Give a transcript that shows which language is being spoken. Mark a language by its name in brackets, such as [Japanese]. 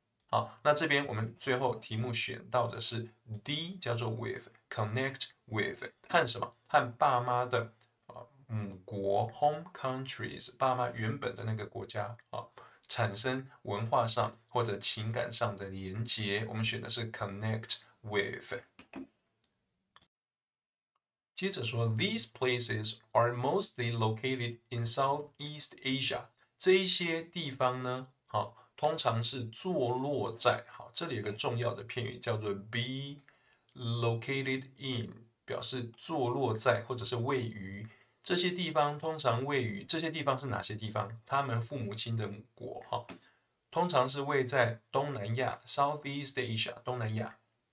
[Chinese] 好，那这边我们最后题目选到的是 D，叫做 with connect with，和什么？和爸妈的母国 home countries，爸妈原本的那个国家啊，产生文化上或者情感上的连结。我们选的是 connect with。接着说， [English] these places are mostly located in Southeast Asia。 [Chinese] 这一些地方呢，好，通常是坐落在，好，这里有个重要的片语叫做 be located in，表示坐落在或者是位于这些地方，通常位于这些地方是哪些地方？他们父母亲的母国，哈，通常是位在东南亚 （Southeast Asia，东南亚）。